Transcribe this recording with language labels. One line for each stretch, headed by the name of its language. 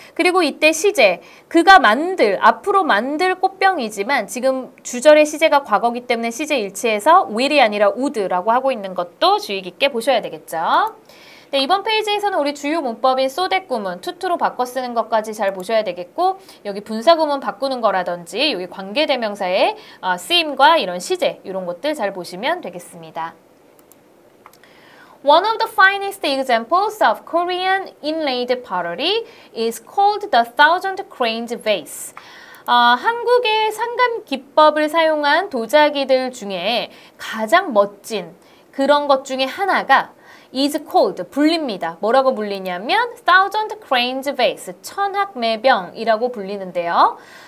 Korean: 그리고 이때 시제, 그가 만들, 앞으로 만들 꽃병이지만 지금 주절의 시제가 과거기 때문에 시제 일치해서 will이 아니라 would라고 하고 있는 것도 주의 깊게 보셔야 되겠죠. 네, 이번 페이지에서는 우리 주요 문법인 so that 구문, to to로 바꿔 쓰는 것까지 잘 보셔야 되겠고 여기 분사구문 바꾸는 거라든지 여기 관계대명사의 쓰임과 이런 시제 이런 것들 잘 보시면 되겠습니다.
English: One of the finest examples of Korean inlaid pottery is called the Thousand Cranes Vase.
Korean: 한국의 상감 기법을 사용한 도자기들 중에 가장 멋진 그런 것 중에 하나가
English: is called,
Korean: 불립니다. 뭐라고 불리냐면 Thousand Cranes Vase, 천학매병이라고 불리는데요.